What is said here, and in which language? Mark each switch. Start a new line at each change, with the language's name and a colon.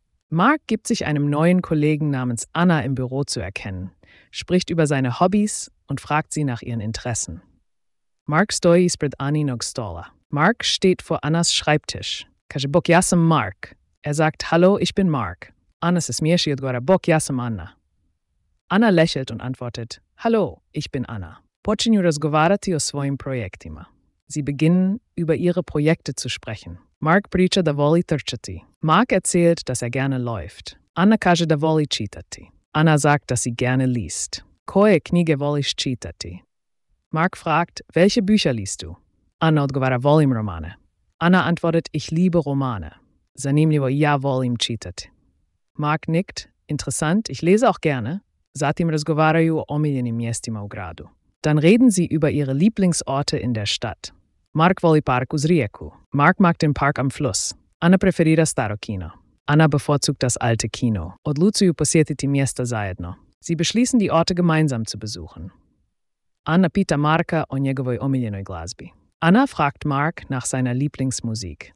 German: Mark gibt sich einem neuen Kollegen namens Anna im Büro zu erkennen, spricht über seine Hobbys und fragt sie nach ihren Interessen.
Croatian: Mark stoji ispred Ani nog stola.
German: Mark steht vor Annas Schreibtisch.
Croatian: Kaže bok jasam Mark.
German: Er sagt, hallo, ich bin Mark.
Croatian: Anna se smiješi odgovara bok jasam Anna.
German: Anna lächelt und antwortet, hallo, ich bin Anna.
Croatian: Počinju razgovarati o svojim projektima.
German: Sie beginnen, über ihre Projekte zu sprechen.
Croatian: Mark priča da voli trčati.
German: Mark erzählt, dass er gerne läuft.
Croatian: Anna kaže da voli čitati.
German: Anna sagt, dass sie gerne liest.
Croatian: Koje knjige voliš čitati?
German: Mark fragt, welche Bücher liest du?
Croatian: Anna odgovara volim romane.
German: Anna antwortet, ich liebe Romane.
Croatian: Zanimljivo, ja volim čitati.
German: Mark nickt, interessant, ich lese auch gerne.
Croatian: Zatim razgovaraju o omiljenim mjestima u gradu.
German: Dann reden sie über ihre Lieblingsorte in der Stadt.
Croatian: Mark voli park uz rijeku.
German: Mark mag den Park am Fluss.
Croatian: Anna preferira staro kino.
German: Anna bevorzugt das alte Kino.
Croatian: Odlučuju posjetiti mjesta zajedno.
German: Sie beschließen, die Orte gemeinsam zu besuchen.
Croatian: Anna pita Marka o njegovoj omiljenoj glazbi.
German: Anna fragt Mark nach seiner Lieblingsmusik.